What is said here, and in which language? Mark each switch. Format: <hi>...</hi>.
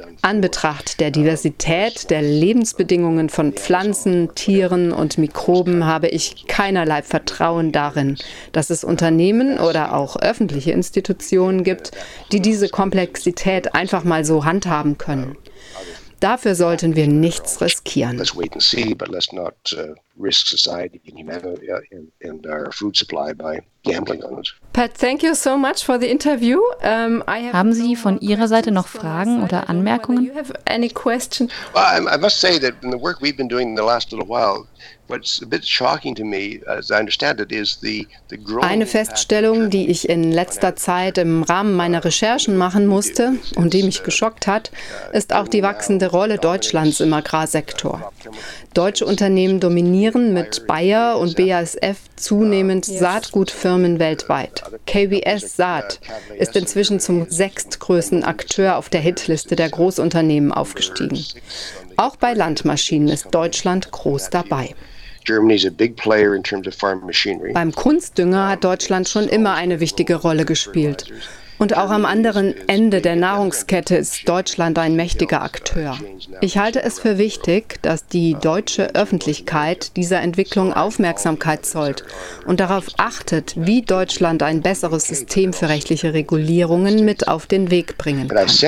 <de>Anbetracht der Diversität der Lebensbedingungen von Pflanzen, Tieren und Mikroben habe ich keinerlei Vertrauen darin, dass es Unternehmen oder auch öffentliche Institutionen gibt, die diese Komplexität einfach mal so handhaben können. Dafür sollten wir nichts riskieren.</de> <en>Let's wait and see, but let's not risk society and humanity and our food supply by gambling on it. Pat, thank you so much for the interview.</en> <de>Haben Sie von Ihrer Seite noch Fragen oder Anmerkungen?</de> <en>You have any question? Well, I must say that in the work we've been doing in the last little while, what's a bit shocking to me, as I understand it, is the growing.</en> <de>Eine Feststellung, die ich in letzter Zeit im Rahmen meiner Recherchen machen musste und die mich geschockt hat, ist auch die wachsende Rolle Deutschlands im Agrarsektor. Deutsche Unternehmen dominieren mit Bayer und BASF zunehmend Saatgutfirmen weltweit. KWS Saat ist inzwischen zum sechstgrößten Akteur auf der Hitliste der Großunternehmen aufgestiegen. Auch bei Landmaschinen ist Deutschland groß dabei.</de> <en>Germany's a big player in terms of farm machinery.</en> <de>Beim Kunstdünger hat Deutschland schon immer eine wichtige Rolle gespielt. Und auch am anderen Ende der Nahrungskette ist Deutschland ein mächtiger Akteur. Ich halte es für wichtig, dass die deutsche Öffentlichkeit dieser Entwicklung Aufmerksamkeit zollt und darauf achtet, wie Deutschland ein besseres System für rechtliche Regulierungen mit auf den Weg bringen kann.</de>